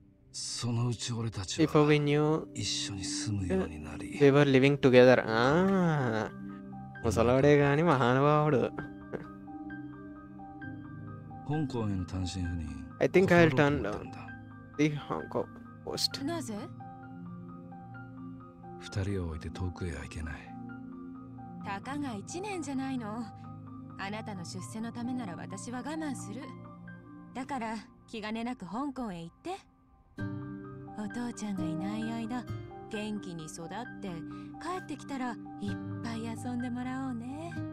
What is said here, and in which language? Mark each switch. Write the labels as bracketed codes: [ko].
[ja] そのうち俺たちは一緒に住むようになり、 [en] we were living together. [ja] ああ、もうそれはあれがにマハノバオル。香港への単身赴任。 [en] I think I'll turn down the Hong Kong post. [ja] なぜ？二人を置いて遠くへ行けない。たかが一年じゃないの。あなたの出世のためなら私は我慢する。だから気兼ねなく香港へ行って。お父ちゃんがいない間、元気に育って帰ってきたらいっぱい遊んでもらおうね。